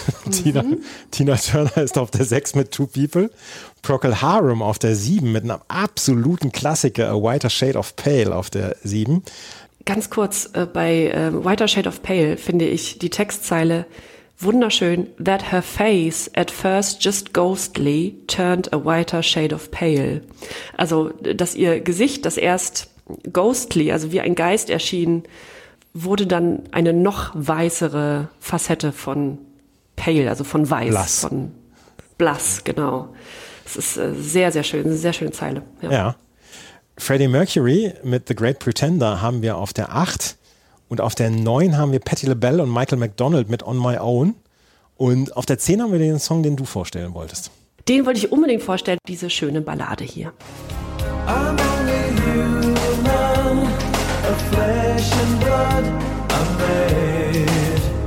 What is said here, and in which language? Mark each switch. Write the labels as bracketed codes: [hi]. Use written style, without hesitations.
[de] Tina, Tina Turner ist auf der 6 mit Two People. Procol Harum auf der 7 mit einem absoluten Klassiker, A Whiter Shade of Pale auf der 7. Ganz kurz, bei Whiter Shade of Pale finde ich die Textzeile wunderschön. [en] That her face at first just ghostly turned a whiter shade of pale. [de] Also, dass ihr Gesicht, das erst ghostly, also wie ein Geist erschien, wurde dann eine noch weißere Facette von pale, also von weiß, blass. Von blass, genau. Das ist sehr, sehr schön, sehr schöne Zeile. Ja. Ja. Freddie Mercury mit The Great Pretender haben wir auf der 8 und auf der 9 haben wir Patti LaBelle und Michael McDonald mit On My Own und auf der 10 haben wir den Song, den du vorstellen wolltest. Den wollte ich unbedingt vorstellen, diese schöne Ballade hier. [en] I'm only human, a flesh and blood, I'm made.